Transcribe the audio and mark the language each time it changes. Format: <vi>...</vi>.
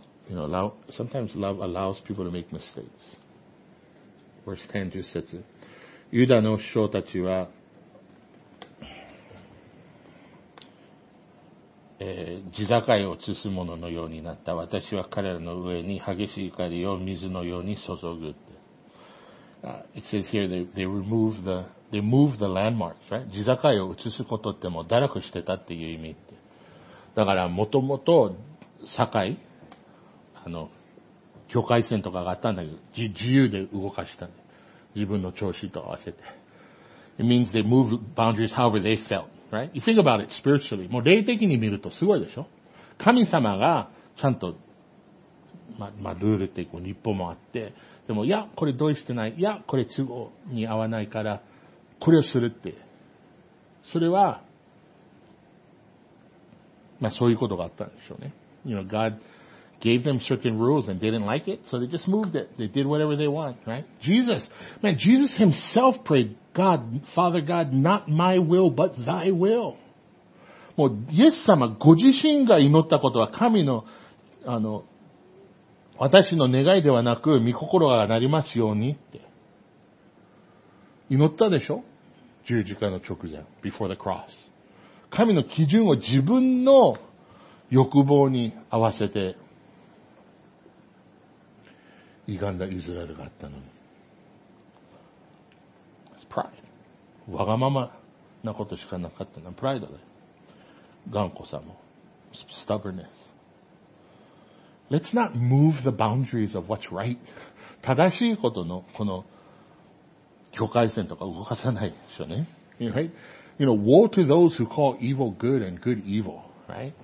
<en>You know, love, sometimes love allows people to make mistakes. Verse 10 just says,</en> <ja>ユダの首相たちは、地境を移す者のようになった。私は彼らの上に激しい怒りを水のように注ぐ。</ja> <en>It says here they move the landmarks, right?</en> <ja>地境を移すことってもう堕落してたっていう意味って。だから、もともと、境、境界線とかがあったんだけど、自由で動かした。自分の調子と合わせて。</ja> <en>It means they move boundaries however they felt, right? You think about it spiritually.</en> <ja>もう霊的に見るとすごいでしょ？神様が、ちゃんと、ルールって、こう、立法もあって、でも、いや、これ同意してない。いや、これ都合に合わないから、これをするって。それは、まあそういうことがあったんでしょうね。</ja> <en>You know, God gave them certain rules and they didn't like it, so they just moved it. They did whatever they want, right? Jesus, man, Jesus himself prayed, God, Father God, not my will, but thy will.</en> <ja>もう、イエス様、ご自身が祈ったことは神の、私の願いではなく、御心がなりますようにって。祈ったでしょ？十字架の直前、</ja> <en>before the cross.</en> <ja>神の基準を自分の欲望に合わせて歪んだイスラエルがあったのに。</ja> <en>It's pride.</en> <ja>わがままなことしかなかったのは pride だ。頑固さも。stubbornness.</ja> <en>Let's not move the boundaries of what's right.</en> <ja>正しいことのこの境界線とか動かさないでしょうね。</ja> <en>Right? You know, woe to those who call evil good and good evil, right?</en>